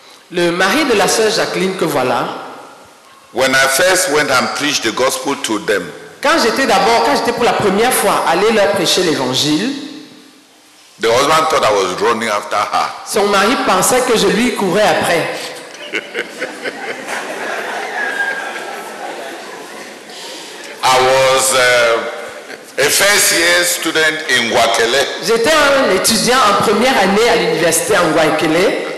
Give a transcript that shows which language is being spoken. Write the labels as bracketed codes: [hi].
[fr] Le mari de la sœur Jacqueline que voilà. [en] When I first went and preached the gospel to them. [fr] Quand j'étais pour la première fois allé leur prêcher l'évangile. [en] The husband thought I was running after her. [fr] Son mari pensait que je lui courais après. [en] I was a first year student in Guakele. [fr] J'étais un étudiant en première année à l'université en Guakele.